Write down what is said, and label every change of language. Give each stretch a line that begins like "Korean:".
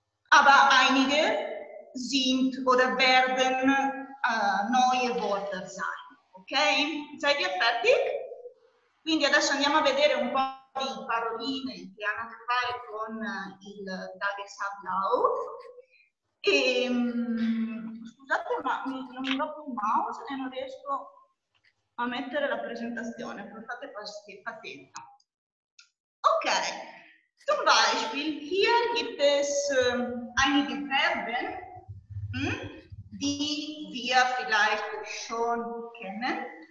German: Aber einige sind oder werden neue Wörter sein, okay? Seid ihr fertig?
Italian: Quindi adesso andiamo a vedere un po' di paroline che hanno a che fare con il Tagesablauf. Scusate, ma non mi va più il mouse e non riesco a mettere la presentazione. Portate pazienza.
German: Ok, zum Beispiel, hier gibt es einige Verben, die wir vielleicht schon kennen.